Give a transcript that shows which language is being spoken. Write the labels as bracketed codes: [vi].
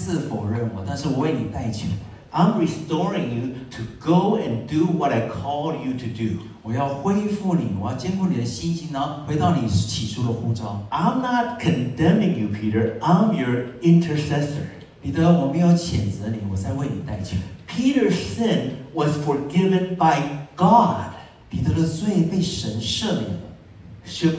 [zh] 耶稣在跟彼得说，我知道你会三次否认我，但是我为你代求。 [en] I'm restoring you to go and do what I called you to do. [zh] 我要恢复你，我要兼顾你的心情，然后回到你起初的呼召。 [en] I'm not condemning you, Peter. I'm your intercessor. [zh] 彼得，我没有谴责你，我在为你代求。 [en] Peter's sin was forgiven by God. [zh] 彼得的罪被神赦免了。 [en] Should